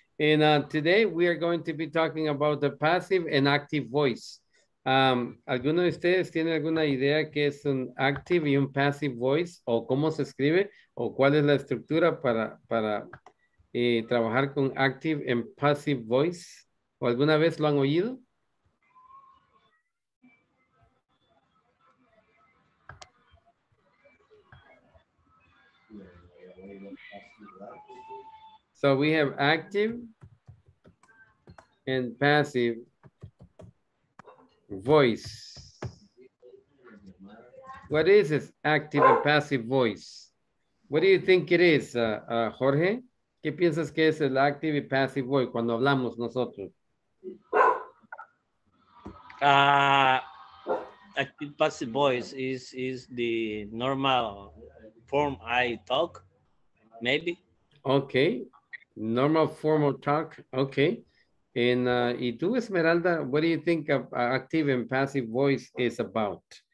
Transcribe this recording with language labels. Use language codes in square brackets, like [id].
[en] And today we are going to be talking about the passive and active voice. [es] ¿Alguno de ustedes tiene alguna idea qué es un active y un passive voice? ¿O cómo se escribe? ¿O cuál es la estructura para trabajar con active and passive voice? ¿O alguna vez lo han oído? [en] So we have active and passive voice. What is this active and passive voice? What do you think it is, Jorge? [es] ¿Qué piensas que es el active y passive voice cuando hablamos nosotros? [en] Active passive voice is the normal form I talk, maybe. Okay. Normal formal talk, okay. And [es] y tú, [en] Esmeralda, what do you think of active and passive voice is about?